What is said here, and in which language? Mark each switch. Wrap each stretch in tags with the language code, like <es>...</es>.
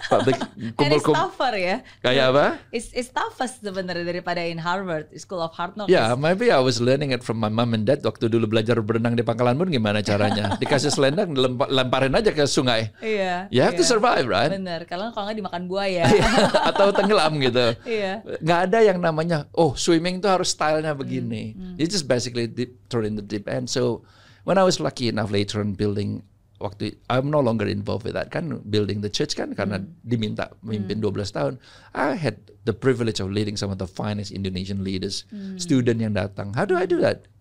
<en>It's tougher, ya.</en> <id>Kayak apa?</id> <en>It's tougher</en> <id>sebenarnya daripada</id> <en>in Harvard, School of Hard Knocks. Yeah, maybe I was learning it from my mom and dad</en> <id>waktu dulu belajar berenang di</id> <en>Pangkalan Bun,</en> <id>gimana caranya? Dikasih selendang, lemparin aja ke sungai.</id> <en>You have to survive, right?</en> <id>Bener, kalau nggak dimakan buaya. Atau tenggelam, gitu.</id> <en>Yeah.</en> <id>Nggak ada yang namanya, oh, swimming itu harus stylenya begini.</id> <en>It's just basically thrown in the deep end. So, when I was lucky enough later on building, waktu I'm no longer involved with that kan, building the church kan,</en> <id>karena diminta memimpin 12 tahun,</id> <en>I had the privilege of leading some of the finest Indonesian leaders, student yang datang. How do I do that?</en>